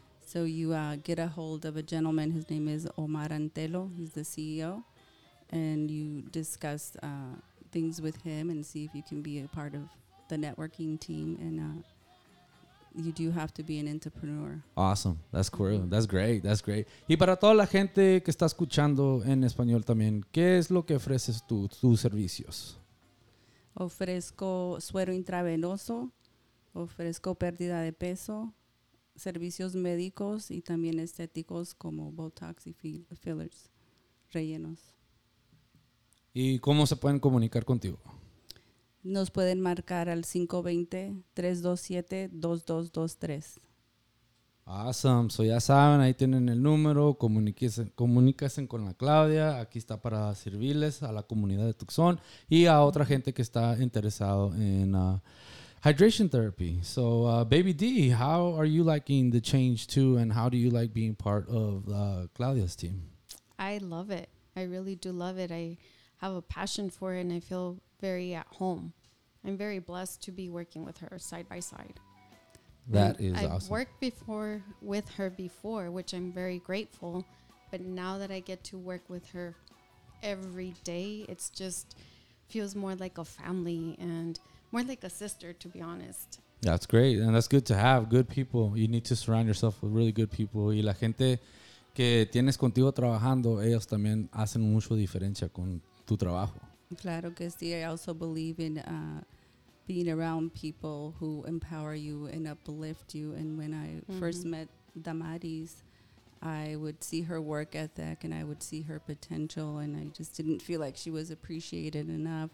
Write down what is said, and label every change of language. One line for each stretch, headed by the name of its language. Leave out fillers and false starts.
English: So you get a hold of a gentleman. His name is Omar Antelo. He's the CEO. And you discuss things with him and see if you can be a part of the networking team. And you do have to be an entrepreneur. Awesome. That's cool. That's great. That's great.
Spanish: Y para toda la gente que está escuchando en español también, ¿qué es lo que ofreces tú, tus servicios? Ofrezco suero intravenoso, ofrezco pérdida de peso, servicios médicos y también estéticos como Botox y fillers, rellenos. ¿Y cómo se pueden comunicar contigo? Nos pueden marcar al 520-327-2223.
English: Awesome.
Spanish: So ya saben, ahí tienen el número. Comuníquense con la Claudia. Aquí está para servirles a la comunidad de Tucson y a otra gente que está interesado en hydration therapy.
English: So, Baby D, how are you liking the change too, and how do you like being part of Claudia's team? I love it. I really do love it. I have a passion for it, and I feel very at home. I'm very blessed to be working with her side by side. That is awesome. I've worked with her before, which I'm very grateful. But now that I get to work with her every day, it's just feels more like a family and more like a sister, to be honest. That's great. And that's good to have good people. You need to surround yourself with really good people.
Spanish: Y la gente que tienes contigo trabajando, ellos también hacen mucho diferencia con tu trabajo. Claro que sí.
English: I also believe in being around people who empower you and uplift you. And when I first met Damaris, I would see her work ethic and I would see her potential, and I just didn't feel like she was appreciated enough.